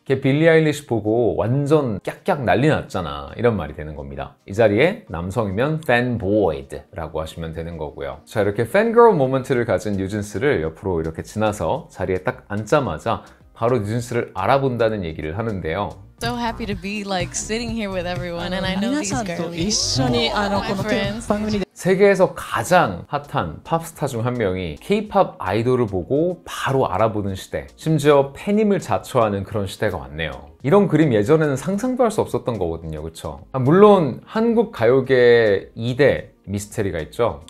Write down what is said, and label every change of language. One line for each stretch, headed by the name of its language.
Korean: 걔 빌리 아일리시 보고 완전 깍깍 난리 났잖아 이런 말이 되는 겁니다. 이 자리에 남성이면 fanboyed 라고 하시면 되는 거고요. 자 이렇게 fangirl 모먼트를 가진 뉴진스를 옆으로 이렇게 지나서 자리에 딱 앉자마자 바로 뉴진스를 알아본다는 얘기를 하는데요.
English: So happy to be like sitting here with everyone and I know these girls.
Korean: 이순이 아나콘도 세계에서 가장 핫한 팝스타 중 한 명이 K-POP 아이돌을 보고 바로 알아보는 시대, 심지어 팬임을 자처하는 그런 시대가 왔네요. 이런 그림 예전에는 상상도 할 수 없었던 거거든요, 그쵸? 물론 한국 가요계의 2대 미스터리가 있죠.